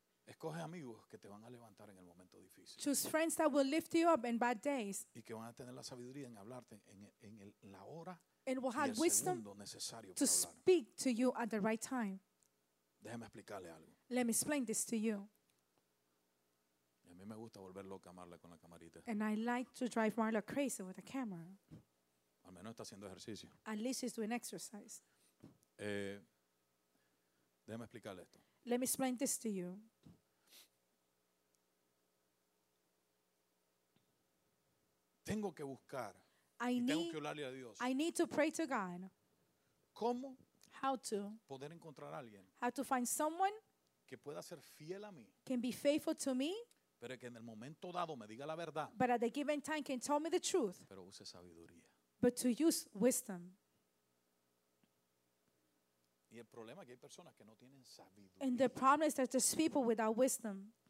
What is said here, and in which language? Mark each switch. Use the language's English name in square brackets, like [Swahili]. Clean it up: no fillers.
[Spanish] Escoge amigos que te van a levantar en el momento difícil. [English] Choose friends that will lift you up in bad days. [Spanish] Y que van a tener la sabiduría en hablarte en la hora [English] and will have wisdom to [Spanish] hablar. [English] Speak to you at the right time. [Spanish] Déjame explicarle algo. [English] Let me explain this to you. [Spanish] Y a mí me gusta volver loca a Marla con la camarita. [English] And I like to drive Marla crazy with a camera. [Spanish] Al menos está haciendo ejercicio. [English] At least she's doing exercise. [Spanish] Déjame explicarle esto. [English] Let me explain this to you. [Spanish] Tengo que buscar. Tengo que orarle a Dios. [English] I need to pray to God. [Spanish] ¿Cómo? [English] How to? [Spanish] Poder encontrar a alguien. [English] How to find someone [Spanish] que pueda ser fiel a mí. [English] Can be faithful to me. [Spanish] Pero que en el momento dado me diga la verdad. [English] But at the given time can tell me the truth. [Spanish] Pero use sabiduría. [English] But to use wisdom. [Spanish] Y el problema es que hay personas que no tienen sabiduría. [English] And the problem is that there's people without wisdom.